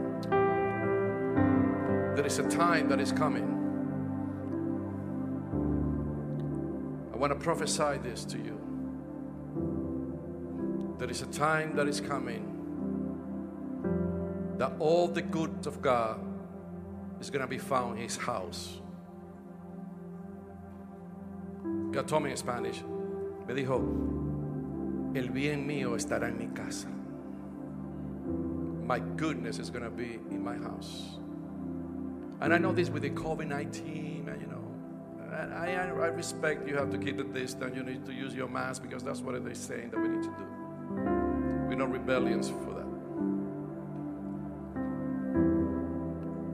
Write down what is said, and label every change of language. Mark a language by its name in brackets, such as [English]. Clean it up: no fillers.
[English] There is a time that is coming. I want to prophesy this to you. There is a time that is coming that all the good of God is going to be found in his house. God told me in Spanish, [Spanish] me dijo, el bien mío estará en mi casa. [English] My goodness is going to be in my house. And I know this with the COVID-19, and you know, I respect you have to keep the distance, you need to use your mask, because that's what they're saying that we need to do. No rebellions for that.